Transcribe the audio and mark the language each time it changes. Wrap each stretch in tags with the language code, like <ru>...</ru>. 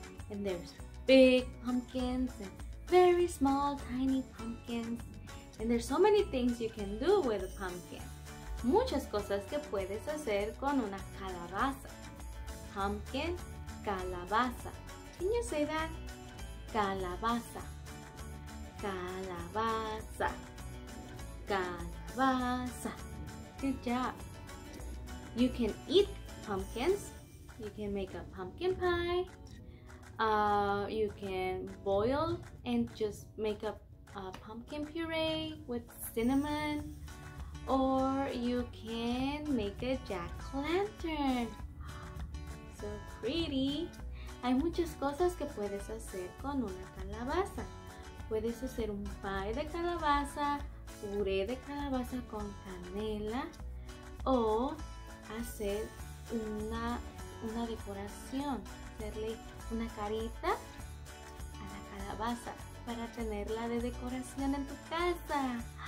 <en>And there's big pumpkins and very small, tiny pumpkins. And there's so many things you can do with a pumpkin.</en> <es>Muchas cosas que puedes hacer con una calabaza.</es> <en>Pumpkin, calabaza. Can you say that? Calabaza.</en> <es>Calabaza. Calabaza.</es> <en>Good job. You can eat pumpkins. You can make a pumpkin pie. You can boil and just make up a pumpkin puree with cinnamon. Or you can make a jack-o'-lantern. So pretty.</en> <es>Hay muchas cosas que puedes hacer con una calabaza. Puedes hacer un pie de calabaza, puré de calabaza con canela, o hacer una decoración, hacerle una carita a la calabaza para tenerla de decoración en tu casa.</es>